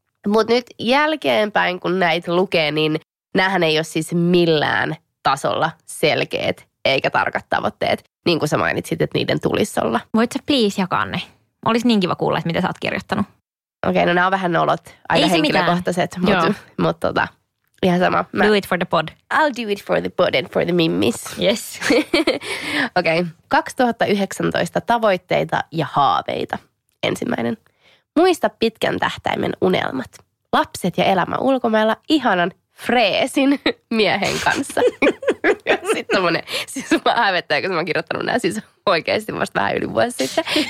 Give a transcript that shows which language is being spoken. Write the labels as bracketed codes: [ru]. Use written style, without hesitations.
[fi] Mutta nyt jälkeenpäin, kun näitä lukee, niin näähän ei ole siis millään tasolla selkeät eikä tarkat tavoitteet, niin kuin sä mainitsit, että niiden tulisi olla. Voit sä please jakaa ne? Olisi niin kiva kuulla, että mitä sä oot kirjoittanut. Okei, no nämä on vähän olot, aika henkilökohtaiset, mutta ihan sama. [en] Do it for the pod. I'll do it for the pod and for the mimmis. Yes. [fi] Okei, 2019 tavoitteita ja haaveita. Ensimmäinen. Muista pitkän tähtäimen unelmat. Lapset ja elämä ulkomailla ihanan freesin miehen kanssa. Sitten tommonen, siis mä hävettäen, kun mä oon kirjoittanut nämä siis oikeasti vasta vähän yli vuosi sitten.